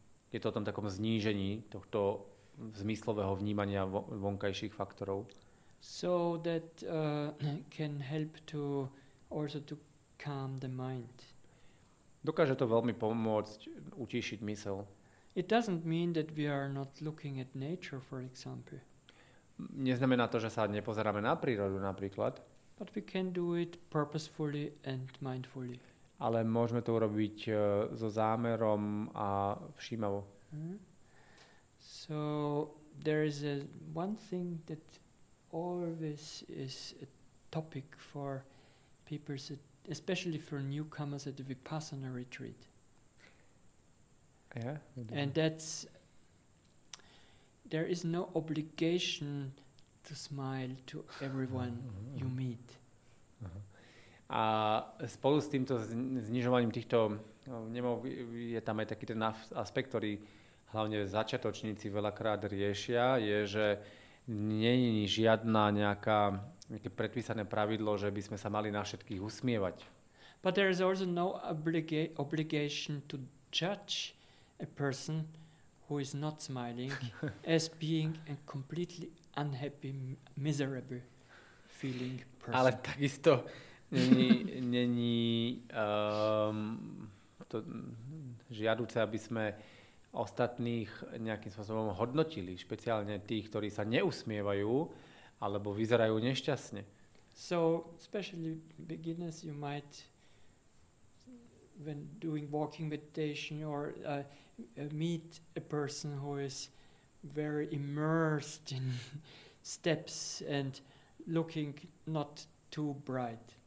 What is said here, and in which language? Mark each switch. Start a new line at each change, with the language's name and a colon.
Slovak: Je to o tom takom znížení tohto zmyslového vnímania vonkajších faktorov.
English: So that can help to also to calm the mind.
Slovak: Dokáže to veľmi pomôcť utíšiť mysel.
English: It doesn't mean that we are not looking at nature, for example.
Slovak: Neznamená to, že sa nepozeráme na prírodu napríklad.
English: But we can do it purposefully and mindfully.
Slovak: Ale môžeme to urobiť so zámerom a všímavo.
English: So there is a one thing that always is a topic for people, especially for newcomers at the Vipassana retreat. Yeah. And that's, there is no obligation to smile to everyone you meet.
Slovak: A spolu s týmto znižovaním týchto je tam aj taký ten aspekt, ktorý hlavne začiatočníci veľakrát riešia, je, že nie je žiadna nejaká nejaké predpísané pravidlo, že by sme sa mali na všetkých usmievať.
English: But there is also no obligation to judge a person who is not smiling as being a completely unhappy, miserable feeling person.
Slovak: Ale takisto není to žiaduce, aby sme ostatných nejakým spôsobom hodnotili, špeciálne tých, ktorí sa neusmievajú alebo vyzerajú nešťastne.
English: So, especially beginners, you might, when doing walking meditation or meet a person who is very immersed in steps and looking not too bright.